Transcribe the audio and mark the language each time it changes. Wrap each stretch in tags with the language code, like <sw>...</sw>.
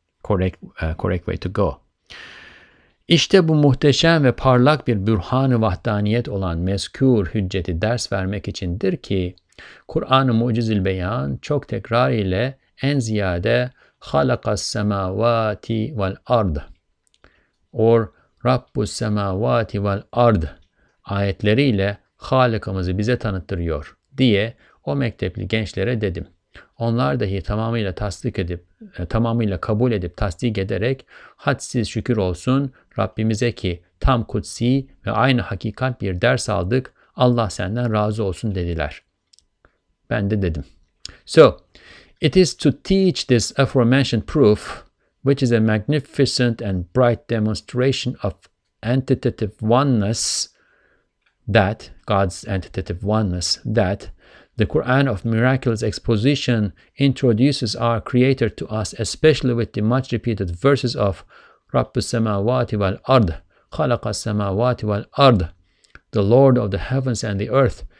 <en>correct way to go.</en> <tr>İşte bu muhteşem ve parlak bir bürhan-ı vahdaniyet olan mezkûr hücceti ders vermek içindir ki, Kur'an-ı Muciz-ül Beyan çok tekrar ile en ziyade</tr> <ar>خَلَقَ السَّمَاوَاتِ وَالْاَرْضِ</ar> <en>or</en> <ar>رَبُّ السَّمَاوَاتِ وَالْاَرْضِ</ar> <tr>ayetleriyle Halık'ımızı bize tanıttırıyor diye o mektepli gençlere dedim. Onlar dahi tamamıyla tasdik edip, tamamıyla kabul edip tasdik ederek hadsiz şükür olsun Rabbimize ki tam kutsi ve aynı hakikat bir ders aldık. Allah senden razı olsun dediler. Ben de dedim.</tr> <en>So, it is to teach this aforementioned proof, which is a magnificent and bright demonstration of entitative oneness, that God's entitative oneness, that the Quran of Miraculous Exposition introduces our Creator to us, especially with the much repeated verses of</en> <ar>رَبُّ السَّمَاوَاتِ وَالْأَرْضِ خَلَقَ السَّمَاوَاتِ وَالْأَرْضِ</ar> <en>the Lord of the heavens and the earth.</en>